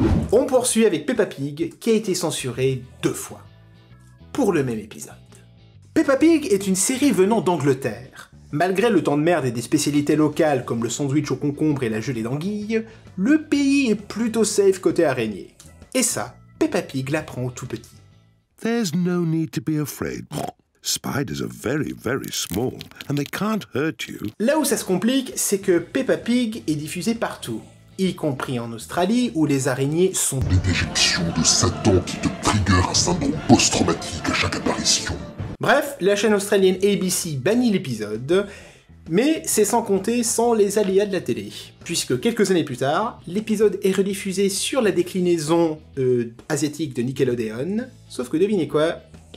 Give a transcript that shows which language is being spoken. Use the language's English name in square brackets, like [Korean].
[French] On poursuit avec Peppa Pig, qui a été censuré 2 fois. Pour le même épisode. Peppa Pig est une série venant d'Angleterre. Malgré le temps de merde et des spécialités locales comme le sandwich au concombre et la gelée d'anguille, le pays est plutôt safe côté araignée. Et ça, Peppa Pig l'apprend au tout petit. [English] There's no need to be afraid. Spiders are very, very small, and they can't hurt you. [French] Là où ça se complique, c'est que Peppa Pig est diffusée partout, y compris en Australie, où les araignées sont des déjections de Satan qui te trigger un syndrome post-traumatique à chaque apparition. Bref, la chaîne australienne ABC bannit l'épisode, mais c'est sans compter sans les aléas de la télé, puisque quelques années plus tard, l'épisode est rediffusé sur la déclinaison asiatique de Nickelodeon, sauf que devinez quoi ?